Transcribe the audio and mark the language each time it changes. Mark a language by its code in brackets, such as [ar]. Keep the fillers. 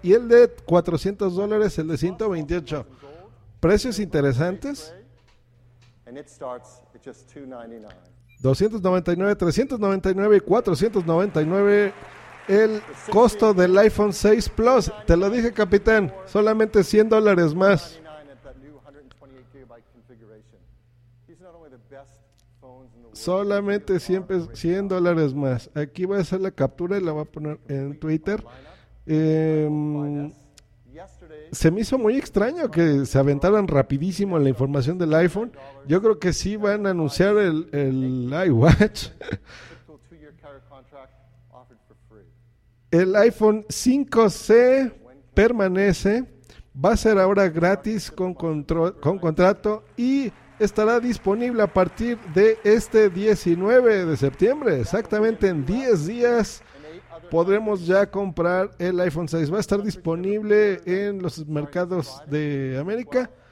[es] Y el de 400 dólares, el de 128. Precios interesantes. [en] and it starts at just 299 [es] 299, 399 y 499 el costo del iPhone 6 Plus. Te lo dije, capitán, solamente 100 dólares más. [en] 99 at that new 128 gigabyte configuration. These are not only the best phones in the world. [es] Solamente 100, pes- 100 dólares más. Aquí voy a hacer la captura y la voy a poner en Twitter. Em, [en] Yesterday, [es] se me hizo muy extraño que se aventaran rapidísimo en la información del iPhone. Yo creo que sí van a anunciar el, el iWatch. [en] typical two-year carrier contract offered for free. [es] El iPhone 5C permanece, va a ser ahora gratis con, contro- con contrato y estará disponible a partir de este 19 de septiembre, exactamente en 10 días. Podremos ya comprar el iPhone 6. Va a estar disponible en los mercados de América.